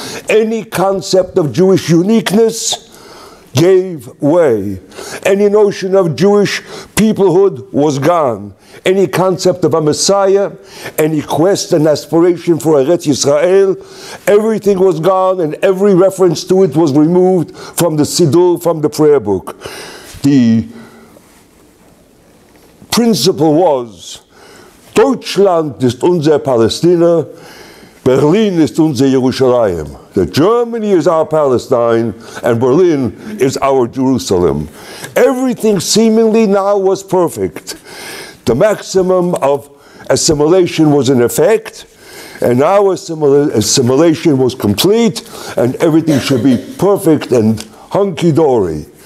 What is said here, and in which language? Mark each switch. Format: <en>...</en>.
<en>Any concept of Jewish uniqueness gave way. Any notion of Jewish peoplehood was gone. Any concept of a Messiah, any quest and aspiration for Eretz Yisrael, everything was gone and every reference to it was removed from the Siddur, from the prayer book. The principle was</en> <de>Deutschland ist unser Palästina, Berlin ist unser Jerusalem.</de> <en>That Germany is our Palestine and Berlin is our Jerusalem. Everything seemingly now was perfect. The maximum of assimilation was in effect, and our assimilation was complete, and everything should be perfect and hunky-dory.</en>